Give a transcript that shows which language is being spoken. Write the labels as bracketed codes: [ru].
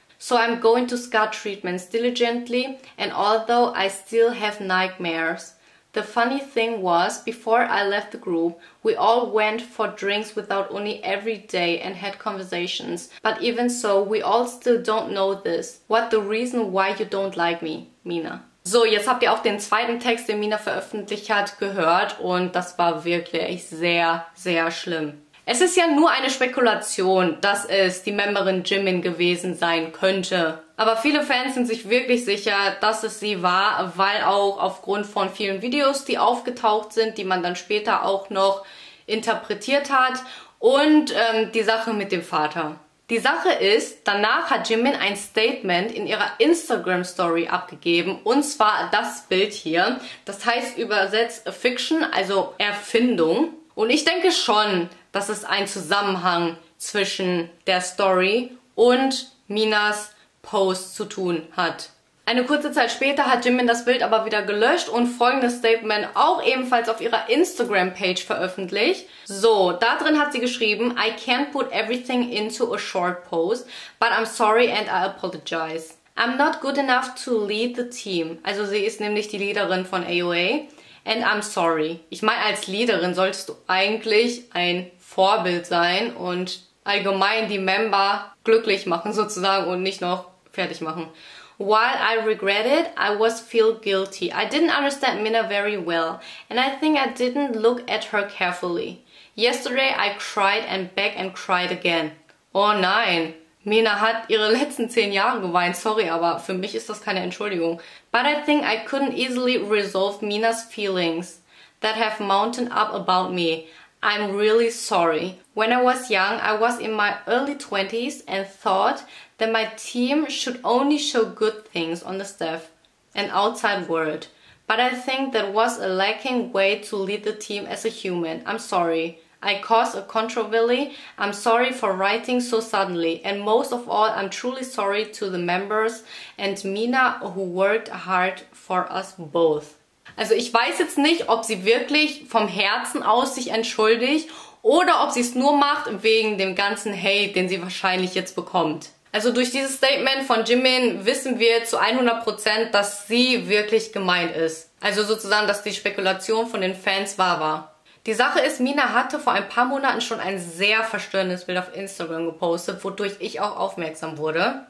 [en] So I'm going to scar treatments diligently, and although I still have nightmares. The funny thing was, before I left the group, we all went for drinks without Uni every day and had conversations. But even so, we all still don't know this. What the reason why you don't like me, Mina. [de] So, jetzt habt ihr auch den zweiten Text, den Mina veröffentlicht hat, gehört. Und das war wirklich sehr, sehr schlimm. Es ist ja nur eine Spekulation, dass es die Memberin Jimin gewesen sein könnte. Aber viele Fans sind sich wirklich sicher, dass es sie war, weil auch aufgrund von vielen Videos, die aufgetaucht sind, die man dann später auch noch interpretiert hat. Und die Sache mit dem Vater. Die Sache ist, danach hat Jimin ein Statement in ihrer Instagram-Story abgegeben. Und zwar das Bild hier. Das heißt übersetzt Fiction, also Erfindung. Und ich denke schon, dass es einen Zusammenhang zwischen der Story und Minas Post zu tun hat. Eine kurze Zeit später hat Jimin das Bild aber wieder gelöscht und folgendes Statement auch ebenfalls auf ihrer Instagram-Page veröffentlicht. So, da drin hat sie geschrieben, [en] "I can't put everything into a short post, but I'm sorry and I apologize. I'm not good enough to lead the team." [de] Also sie ist nämlich die Leaderin von AOA. [en] "And I'm sorry." [de] Ich meine, als Leaderin solltest du eigentlich ein Vorbild sein und allgemein die Member glücklich machen sozusagen und nicht noch fertig machen. [en] While I regret it, I was feel guilty. I didn't understand Mina very well, and I think I didn't look at her carefully. Yesterday I cried and begged and cried again. [de] Oh nein, Mina hat ihre letzten 10 Jahre geweint. Sorry, aber für mich ist das keine Entschuldigung. [en] But I think I couldn't easily resolve Mina's feelings that have mounted up about me. I'm really sorry. When I was young, I was in my early 20s and thought that my team should only show good things on the staff and outside world. But I think that was a lacking way to lead the team as a human. I'm sorry. I caused a controversy. I'm sorry for writing so suddenly. And most of all, I'm truly sorry to the members and Mina, who worked hard for us both. [de] Also ich weiß jetzt nicht, ob sie wirklich vom Herzen aus sich entschuldigt oder ob sie es nur macht wegen dem ganzen Hate, den sie wahrscheinlich jetzt bekommt. Also durch dieses Statement von Jimin wissen wir zu 100%, dass sie wirklich gemeint ist. Also sozusagen, dass die Spekulation von den Fans wahr war. Die Sache ist, Mina hatte vor ein paar Monaten schon ein sehr verstörendes Bild auf Instagram gepostet, wodurch ich auch aufmerksam wurde.